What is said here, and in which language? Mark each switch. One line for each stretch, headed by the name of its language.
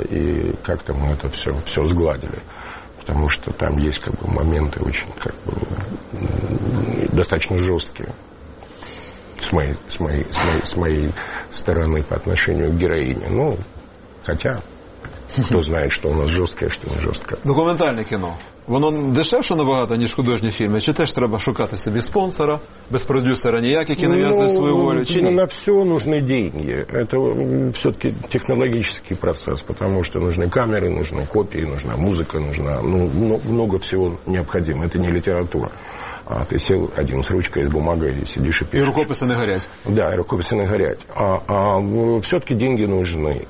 Russian: И как-то мы это все сгладили. Потому что там есть как бы, моменты очень как бы, достаточно жесткие. С моей стороны по отношению к героине. Ну, хотя, кто знает, что у нас жесткое, что не жесткое. Документальное кино.
Ukrainian: Воно дешевше набагато, ніж художні фільми? Чи теж треба шукати собі спонсора? Без продюсера ніяк, який нав'язує свою волю? Чи ні?
Russian: На все нужны деньги. Это все-таки технологический процесс, потому что нужны камеры, нужны копии, нужна музыка, нужна, ну, много всего необходимо. Это не литература. А ты сел один с ручкой, с бумагой, сидишь и пишешь. И рукописи
Ukrainian: не горять.
Russian: Да, и рукописи
Ukrainian: не горять.
Russian: А все-таки деньги нужны.